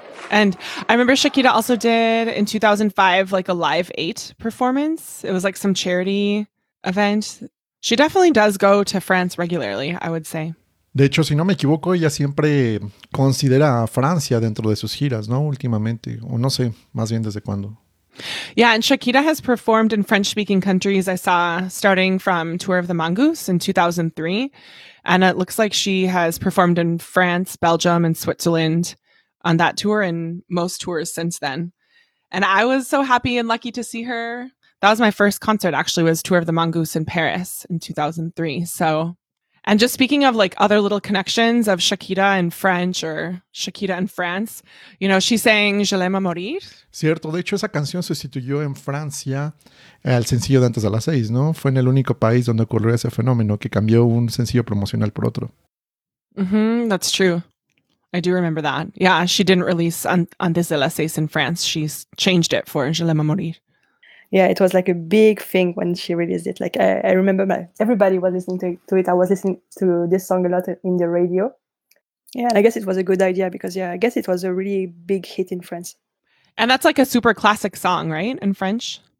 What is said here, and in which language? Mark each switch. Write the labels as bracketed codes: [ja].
[en] And I remember Shakira also did in 2005, like a Live 8 performance. It was like some charity event. She definitely does go to France regularly, I would say. [es] De hecho, si no me equivoco, ella siempre considera a Francia dentro de sus giras, ¿no? Últimamente, o no sé, más bien desde cuándo. [en] Yeah, and Shakira has performed in French-speaking countries, I saw, starting from Tour of the Mongoose in 2003. And it looks like she has performed in France, Belgium, and Switzerland on that tour and most tours since then. And I was so happy and lucky to see her. That was my first concert, actually, was Tour of the Mongoose in Paris in 2003. So, and just speaking of like other little connections of Shakira and French or Shakira and France, you know, she sang Je l'aime à mourir. [es] Cierto, de hecho, esa canción sustituyó en Francia el sencillo de Antes de las Seis, ¿no? Fue en el único país donde ocurrió ese fenómeno que cambió un sencillo promocional por otro. [en] Mm-hmm, that's true. I do remember that. Yeah, she didn't release Antes de las Seis in France. She's changed it for Je l'aime à mourir. Yeah, it was like a big thing when she released it. Like I remember everybody was listening to it. I was listening to this song a lot in the radio. Yeah, and I guess it was a good idea because, yeah, I guess it was a really big hit in France. And that's like a super classic song, right, in French?